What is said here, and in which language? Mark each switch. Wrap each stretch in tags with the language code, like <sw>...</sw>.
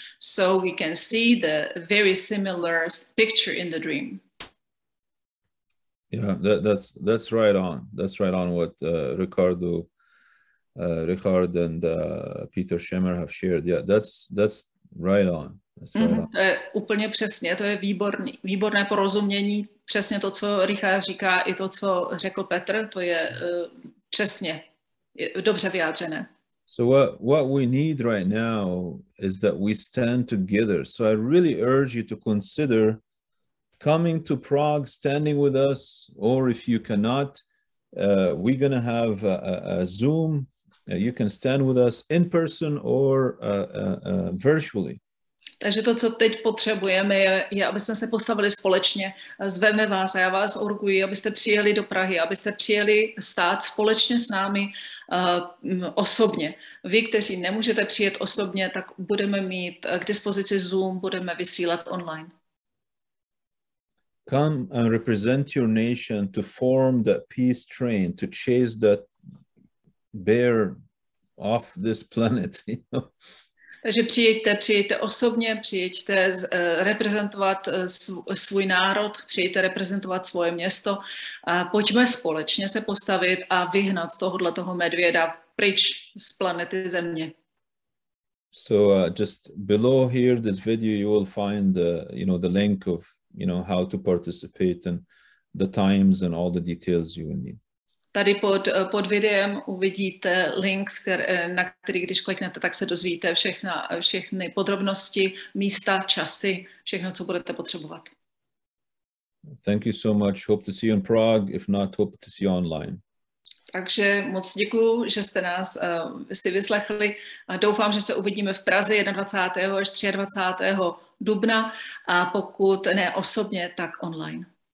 <en>So we can see the very similar picture in the dream. Yeah, that's right on. That's right on what Ricardo and Peter Shimmer have shared. Yeah, that's right on.</en> <cs>Úplně přesně, to je výborné porozumění, přesně to, co Richard říká, i to, co řekl Petr, to je přesně, dobře vyjádřené.</cs> <en>So what we need right now is that we stand together. So I really urge you to consider coming to Prague, standing with us, or if you cannot, we're going to have a Zoom. You can stand with us in person or virtually.</en> <cs>Takže to, co teď potřebujeme, je, aby jsme se postavili společně. Zveme vás a já vás orguji, abyste přijeli do Prahy, abyste přijeli stát společně s námi osobně. Vy, kteří nemůžete přijet osobně, tak budeme mít k dispozici Zoom, budeme vysílat online.</cs> <en>Come and represent your nation to form that peace train, to chase that bear off this planet.</en> <cs>Takže přijďte osobně, přijďte reprezentovat svůj národ, přijďte reprezentovat svoje město. Pojďme společně se postavit a vyhnat tohoto medvěda pryč z planety Země.</cs> <en>So just below here this video you will find the link of how to participate and the times and all the details you will need.</en> <cs>Tady pod videem uvidíte link, na který, když kliknete, tak se dozvíte všechny podrobnosti, místa, časy, všechno, co budete potřebovat.</cs> <en>Thank you so much. Hope to see you in Prague. If not, hope to see you online.</en> <cs>Takže moc děkuju, že jste nás si vyslechli. Doufám, že se uvidíme v Praze 21. až 23. dubna. A pokud ne osobně, tak online.</cs>